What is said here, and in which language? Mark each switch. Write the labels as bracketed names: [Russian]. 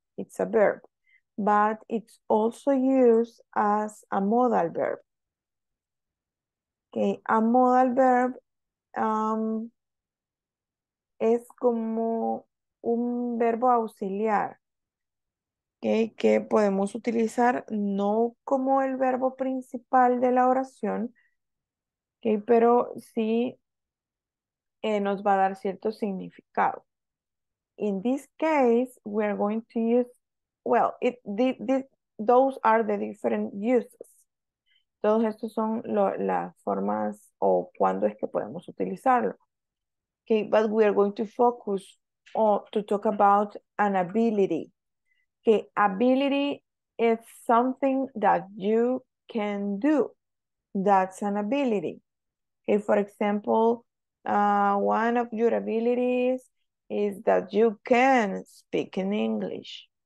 [English] It's a verb, but it's also used as a modal verb. Okay, a modal verb [Spanish] es como un verbo auxiliar, okay, que podemos utilizar no como el verbo principal de la oración, okay, pero sí nos va a dar cierto significado. [English] In this case, we're going to use, well, those are the different uses. [Spanish] Todos estos son las formas o cuándo es que podemos utilizarlo. [English] Okay, but we're going to focus or to talk about an ability. Okay, ability is something that you can do. That's an ability. Okay, for example, one of your abilities is that you can speak in English.